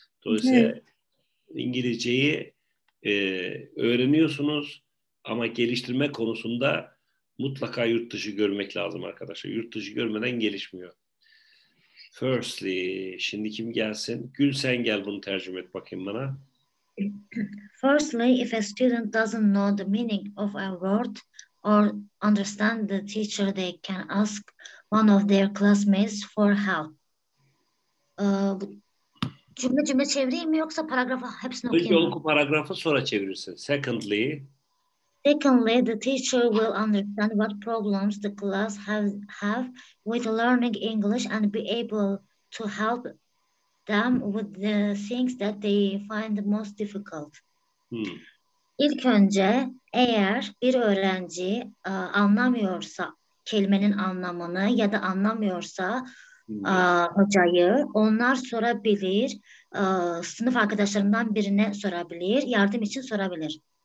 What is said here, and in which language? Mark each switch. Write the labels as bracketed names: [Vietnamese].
[Turkish] Dolayısıyla İngilizceyi öğreniyorsunuz ama geliştirme konusunda mutlaka yurt dışı görmek lazım arkadaşlar. Yurt dışı görmeden gelişmiyor. Firstly, şimdi kim gelsin? Gül, sen gel bunu tercüme et bakayım bana. [English] Firstly, if a student doesn't know the meaning of a word or understand the teacher, they can ask one of their classmates for help. [Turkish] Cümle çevireyim mi yoksa paragrafı hepsini okuyayım mı? Oku paragrafı sonra çevirirsin. [English] Secondly, the teacher will understand what problems the class have with learning English and be able to help them with the things that they find the most difficult. [Turkish] İlk önce eğer bir öğrenci anlamıyorsa kelimenin anlamını ya da anlamıyorsa hocayı onlar sorabilir, sınıf arkadaşlarından birine sorabilir, yardım için sorabilir.